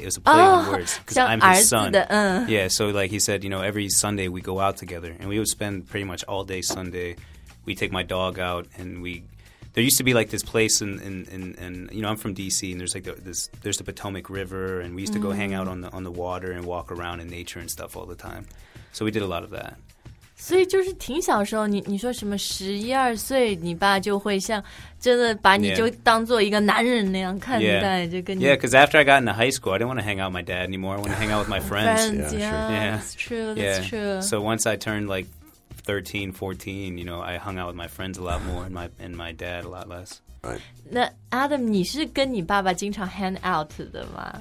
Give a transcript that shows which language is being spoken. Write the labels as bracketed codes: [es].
[en] It was a play on words because I'm his son. Yeah, so like he said, you know, every Sunday we go out together and we would spend pretty much all day Sunday. We take my dog out and we, there used to be like this place in you know, I'm from DC and there's like there's the Potomac River and we used to go hang out on the water and walk around in nature and stuff all the time. So we did a lot of that. [zh] 所以就是挺小时候 你说什么十一二岁你爸就会像真的把你就当做一个男人那样看待、 [en] yeah. [zh] 就跟你 [en] Yeah, because after I got into high school, I didn't want to hang out with my dad anymore. I want to hang out with my friends. Friends, yeah, that's true. So once I turned like 13, 14, you know, I hung out with my friends a lot more and my dad a lot less. Right. [zh] 那 Adam, 你是跟你爸爸经常 hang out 的吗